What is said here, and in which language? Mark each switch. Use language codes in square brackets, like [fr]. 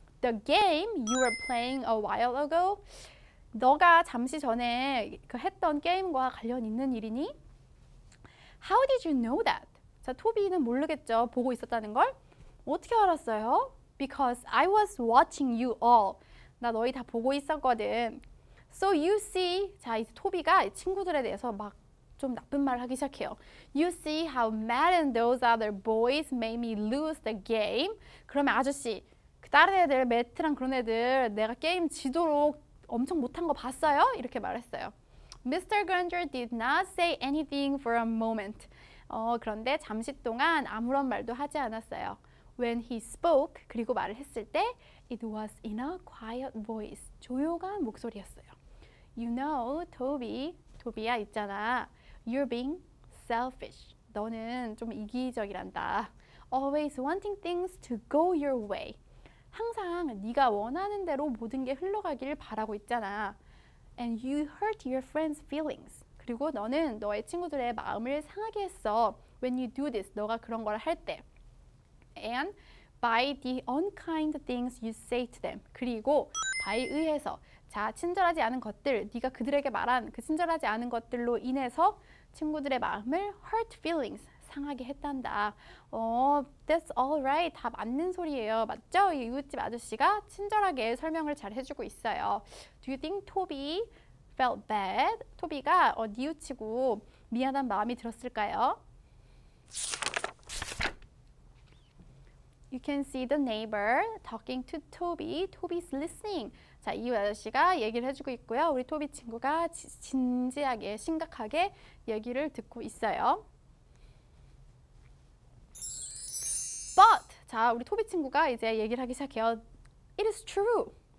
[en] The game you were playing a while ago. [ko] 너가 잠시 전에 그 했던 게임과 관련 있는 일이니? [en] How did you know that? [ko] 자, 토비는 모르겠죠. 보고 있었다는 걸. 어떻게 알았어요? [en] Because I was watching you all. [ko] 나 너희 다 보고 있었거든. [en] So you see, [ko] 자, 이제 토비가 친구들에 대해서 막 좀 나쁜 말을 하기 시작해요. [en] You see how mad and those other boys made me lose the game? [ko] 그러면 아저씨, 그 다른 애들, 매트랑 그런 애들 내가 게임 지도록 엄청 못한 거 봤어요? 이렇게 말했어요. Mr. [en] Granger did not say anything for a moment. [ko] 그런데 잠시 동안 아무런 말도 하지 않았어요. [en] When he spoke, [ko] 그리고 말을 했을 때 [en] it was in a quiet voice. [ko] 조용한 목소리였어요. [en] You know, [ko] Toby, 토비야 있잖아. [en] You're being selfish. [ko] 너는 좀 이기적이란다. [en] Always wanting things to go your way. [ko] 항상 네가 원하는 대로 모든 게 흘러가길 바라고 있잖아. [en] And you hurt your friends' feelings. [ko] 그리고 너는 너의 친구들의 마음을 상하게 했어. [en] When you do this, [ko] 너가 그런 걸 할 때. [en] And by the unkind things you say to them. [ko] 그리고 [en] by [ko] 의해서 자, 친절하지 않은 것들, 네가 그들에게 말한 그 친절하지 않은 것들로 인해서 친구들의 마음을 [en] hurt feelings, [ko] 상하게 했단다. 어, [en] that's all right. [ko] 다 맞는 소리예요. 맞죠? 이 이웃집 아저씨가 친절하게 설명을 잘 해주고 있어요. [en] Do you think Toby felt bad? [ko] 토비가 니우치고 미안한 마음이 들었을까요? [en] You can see the neighbor talking to Toby. Toby's listening. [ko] 자, 이웃 아저씨가 얘기를 해주고 있고요. 우리 토비 친구가 진지하게, 심각하게 얘기를 듣고 있어요. [en] But! [ko] 자, 우리 토비 친구가 이제 얘기를 하기 시작해요. [en] It is true.